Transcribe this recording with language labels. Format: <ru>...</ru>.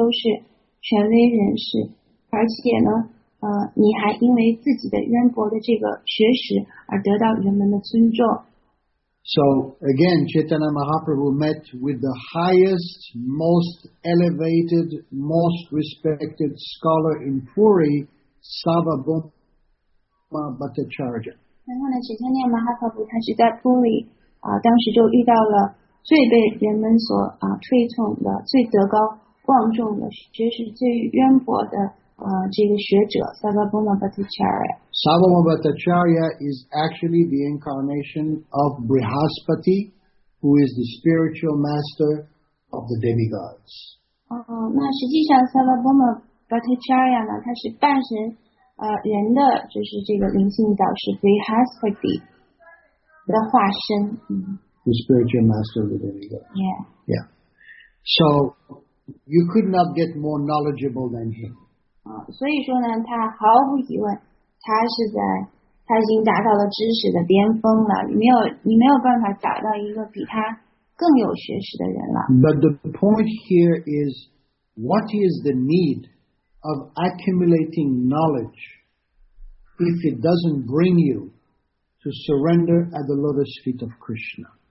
<zh>那作为一个sannyasi，一个托钵僧的话，你不仅仅是在这个世俗的社会结构中，还有在灵性的这个层面上呢，都是权威人士。而且呢，你还因为自己的渊博的这个学识而得到人们的尊重。</zh> <en>So again, Chaitanya Mahaprabhu met with the highest, most elevated, most respected scholar in Puri, Sarvabhauma Bhattacharya.</en> <zh>然后呢，Chaitanya Mahaprabhu他是在Puri，当时就遇到了最被人们所推崇的、最德高望重的学识最渊博的。</zh> <en>Sarvabhauma Bhattacharya is actually the incarnation of Brihaspati, who is the spiritual master of the demigods.</en> <zh>那实际上Sarvabhauma Bhattacharya呢，他是半神人的，就是这个灵性导师Brihaspati的化身。</zh> <en>The spiritual master of the demigods. Yeah. Yeah. So you could not get more knowledgeable than him.</en> <zh>所以说呢，他毫无疑问，他已经达到了知识的巅峰了，你没有办法找到一个比他更有学识的人了。</zh> <en>But the point here is, what is the need of accumulating knowledge if it doesn't bring you to surrender at the lotus feet of Krishna?</en>